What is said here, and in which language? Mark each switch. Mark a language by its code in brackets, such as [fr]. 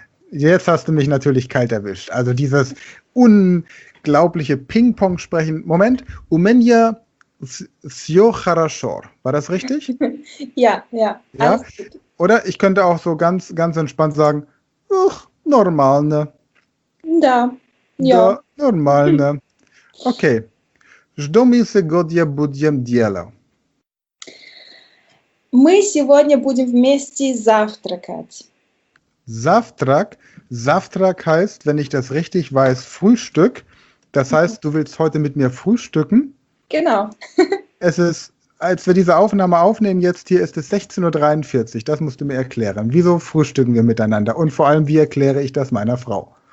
[de] Jetzt hast du mich natürlich kalt erwischt. Also dieses unglaubliche Ping-Pong-Sprechen. Moment. [ru] У меня все хорошо. [de] War das richtig? Ja. Ja? Oder ich könnte auch so ganz, ganz entspannt sagen, ach, normal, ne? Da, ja. Normal, ne? Okay. [ru] Что мы сегодня будем делать? Мы сегодня будем вместе завтракать. Завтрак. [de] Завтрак heißt, wenn ich das richtig weiß, Frühstück. Das heißt, du willst heute mit mir frühstücken? Genau. Es ist... Als wir diese Aufnahme aufnehmen, jetzt hier ist es 16.43 Uhr, das musst du mir erklären. Wieso frühstücken wir miteinander? Und vor allem, wie erkläre ich das meiner Frau?